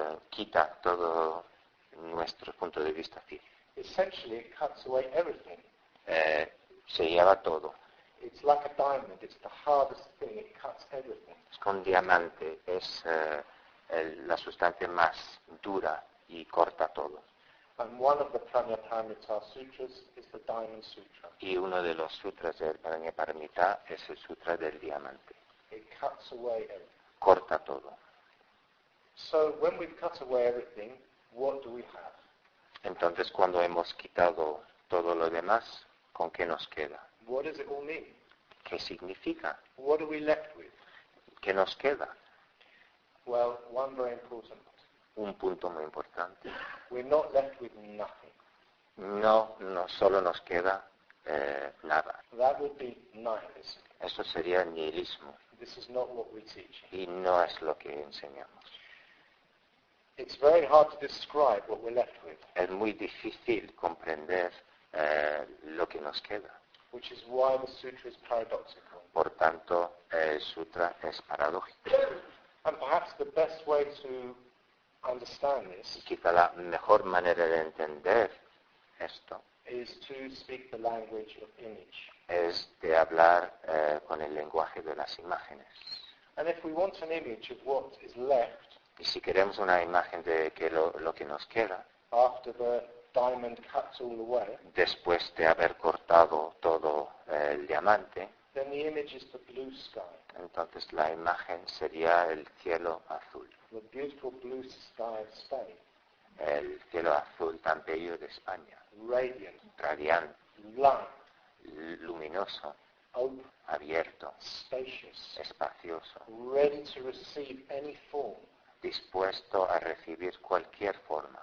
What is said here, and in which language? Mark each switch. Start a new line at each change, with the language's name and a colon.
Spanish: Quita todo nuestro punto de vista fijo.
English: Essentially, it cuts away everything.
Spanish: Se lleva todo.
English: It's like a diamond. It's the hardest thing. It cuts everything.
Spanish: Es como un diamante. Es la sustancia más dura y corta todo.
English: And one of the Pranayaparamita sutras is the Diamond Sutra.
Spanish: Y uno de los sutras del Pranayaparamita es el sutra del diamante.
English: It cuts away everything.
Spanish: Corta todo.
English: So when we've cut away everything, what do we have?
Spanish: Entonces cuando hemos quitado todo lo demás, ¿con qué nos queda?
English: What does it all mean?
Spanish: ¿Qué significa?
English: What are we left with?
Spanish: ¿Qué nos queda?
English: Well, one very important.
Spanish: Un punto muy importante.
English: We're not left with nothing.
Spanish: No, solo nos queda nada.
English: That would be nihilism.
Spanish: Eso sería nihilismo.
English: This is not what we teach.
Spanish: Y no es lo que enseñamos.
English: It's very hard to describe what we're left with.
Spanish: Es muy difícil comprender lo que nos queda.
English: Which is why the sutra is paradoxical.
Spanish: Por tanto, el sutra es paradójico.
English: And perhaps the best way to understand this,
Spanish: quizá la mejor manera de entender esto,
English: is to speak the language of image.
Spanish: Es de hablar con el lenguaje de las imágenes.
English: And if we want an image of what is left,
Spanish: y si queremos una imagen de que lo que nos queda,
English: after the diamond cuts all away,
Spanish: después de haber cortado todo el diamante,
English: then the image is the blue sky.
Spanish: Entonces la imagen sería el cielo azul.
English: The beautiful blue sky of Spain.
Spanish: El cielo azul tan bello de España.
English: Radiant.
Spanish: Light. Luminoso.
English: Open.
Spanish: Abierto.
English: Spacious.
Spanish: Espacioso.
English: Ready to receive any form.
Spanish: Dispuesto a recibir cualquier forma.